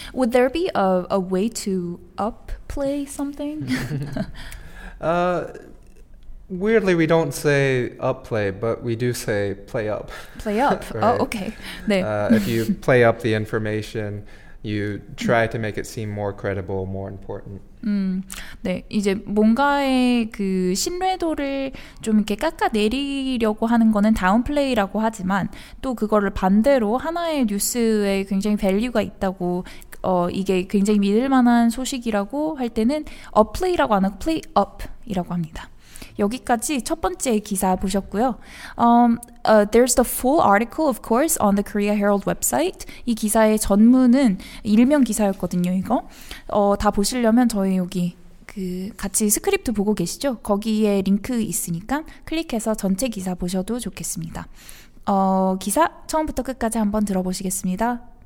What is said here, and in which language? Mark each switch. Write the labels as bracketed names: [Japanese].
[English] Would there be a way to upplay something? Weirdly, we don't say upplay, but we do say play up. Play up. Right? Oh, okay. 네. If you play up the information, you try to make it seem more credible, more important. [Korean] 네, 이제 뭔가의 그 신뢰도를 좀 이렇게 깎아내리려고 하는 거는 다운플레이라고 하지만 또 그거를 반대로 하나의 뉴스에 굉장히 밸류가 있다고 이게 굉장히 믿을만한 소식이라고 할 때는 업플레이라고 안 하고 플레이 업이라고 합니다. 여기까지 첫 번째 기사 보셨고요. [English] There's the full article, of course, on the Korea Herald website. [Korean] 이 기사의 전문은 일명 기사였거든요, 이거. 다 보시려면 저희 여기 그 같이 스크립트 보고 계시죠? 거기에 링크 있으니까 클릭해서 전체 기사 보셔도 좋겠습니다. 기사 처음부터 끝까지 한번 들어보시겠습니다.